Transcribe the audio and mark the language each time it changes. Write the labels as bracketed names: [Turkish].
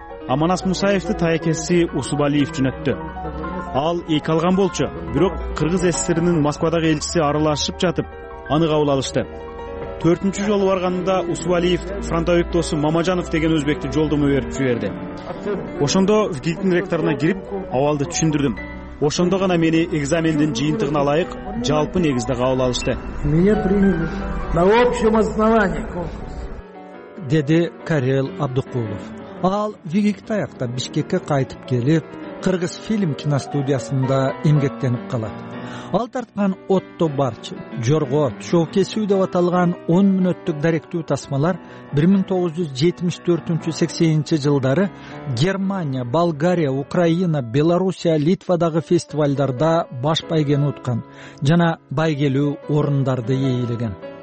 [Kyrgyz] А Манас Мусаевди таякеси Усубалиев жөнөттү. Ал эки алган болчу, бирок Кыргыз СССРнин Москвадагы элчиси аралашып жатып аны кабыл алышты. Төртүнчү жолу барганында Усубалиев фронтовик досу Мамажанов деген өзбекти жолдомо берип жиберди. Ошондо ВГИКтин ректоруна кирип абалды түшүндүрдүм. Ошондо гана мени экзамендин жыйынтыгына ылайык жалпы негизде кабыл алышты. [Russian] Меня приняли на общем основании конкурс, [Kyrgyz] деди Карел Абдыкулов. Ал ВГИК таякта Бишкекке кайтып келип Кыргыз фильм киностудиясында эмгектенип калат. Ал тарткан «Отто барч», «Жорго», «Шоу кесүү» деп аталган 10 мүнөттүк даректүү тасмалар 1974-80 жылдары Германия, Болгария, Украина, Белоруссия, Литвадагы фестивалдарда баш байгени уткан жана байгелүү орундарды ээлеген.